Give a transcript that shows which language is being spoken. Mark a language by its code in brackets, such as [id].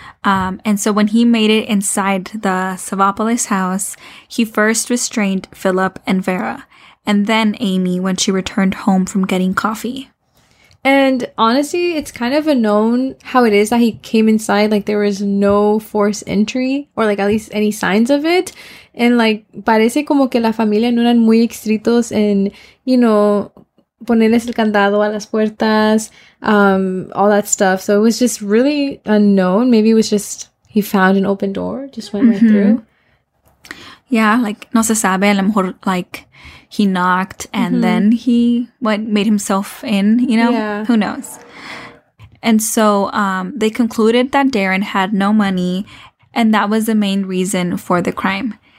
[en] And so when he made it inside the Savopoulos house, he first restrained Philip and Vera. and then Amy when she returned home from getting coffee. And honestly, it's kind of a known how it is that he came inside. Like, there was no forced entry, or like at least any signs of it. [es] And like, parece como que la familia no eran muy estrictos en, [en] you know, [es] ponerles el candado a las puertas, [en] all that stuff. So it was just really unknown. Maybe it was just he found an open door, just went right through. Yeah, like, [es] no se sabe, a lo mejor, [en] like, he knocked and then he went, made himself in, you know? Yeah. Who knows? And so they concluded that Darren had no money, and that was the main reason for the crime.